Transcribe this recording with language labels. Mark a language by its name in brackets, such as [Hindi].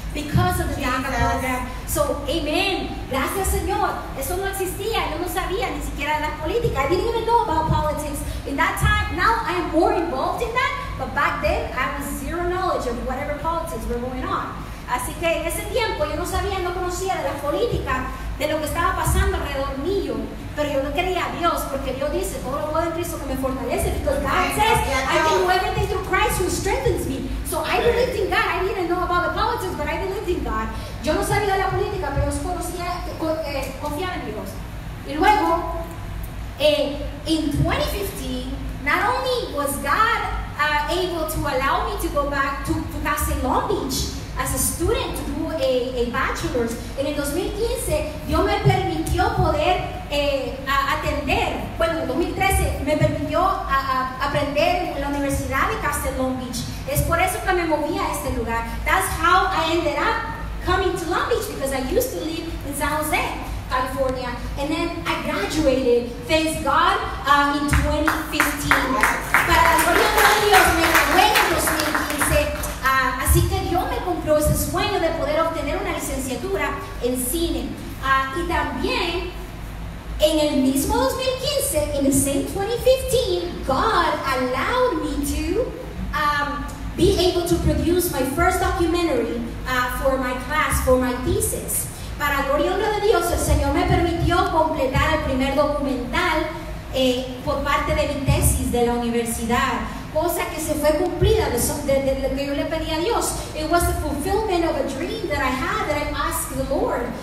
[English] because of the DACA program. So, amen. [Spanish] Gracias, Señor. Eso no existía. Yo no sabía ni siquiera de la política. [English] I didn't even know about politics in that time. Now I am more involved in that, but back then I was zero knowledge of whatever politics were going on. [Spanish] Así que en ese tiempo yo no sabía, no conocía de la política, de lo que estaba pasando alrededor mío. Pero yo no creía a Dios, porque Dios dice, todo lo puedo en Cristo que me fortalece. [English] Because God says, I can do everything through Christ who strengthens me. So I believed in God. I didn't know about the politics, but I believed in God. [Spanish] Yo no sabía de la política, pero yo conocía, confiaba en Dios. Y luego, [English] in 2015, not only was God able to allow me to go back to Castle Long Beach as a student to do a bachelor's, [Spanish] en el 2015, Dios me permitió poder atender, bueno, en 2013 me permitió aprender en la Universidad de Castle Long Beach. Es por eso que me moví a este lugar. [English] That's how I ended up coming to Long Beach, because I used to live in San Jose, California. And then I graduated, thanks God, in 2015. [Spanish] Para la gloria de Dios, me gradué en 2015. Así que Dios me compró ese sueño de poder obtener una licenciatura en cine. Y también, en el mismo 2015, [English] in the same 2015, God allowed me to be able to produce my first documentary for my class, for my thesis. [Spanish] Para gloria y honra de Dios, el Señor me permitió completar el primer documental por parte de mi tesis de la universidad. Cosa que se fue cumplida de lo que yo le pedí a Dios. [English] It was the fulfillment of a dream that I had, that I asked the Lord.